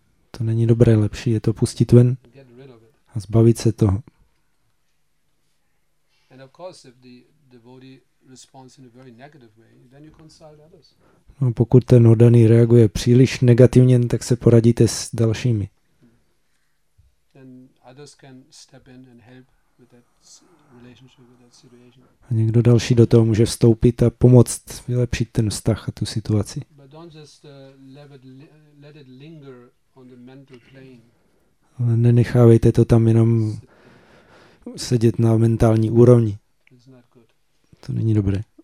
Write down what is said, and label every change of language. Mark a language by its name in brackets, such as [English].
[Czech] To není dobré, lepší je to pustit ven. A zbavit se toho. [English] And of course if the devotee responds in a very negative way, then you consult others. [Czech] No, pokud ten oddaný reaguje příliš negativně, tak se poradíte s dalšími. [English] Then others can step in and help with that relationship, with that situation. [Czech] A někdo další do toho může vstoupit a pomoct vylepšit ten vztah a tu situaci. [English] But don't just let it linger on the mental plane. [Czech] Ale nenechávejte to tam jenom sedět na mentální úrovni. To není dobré.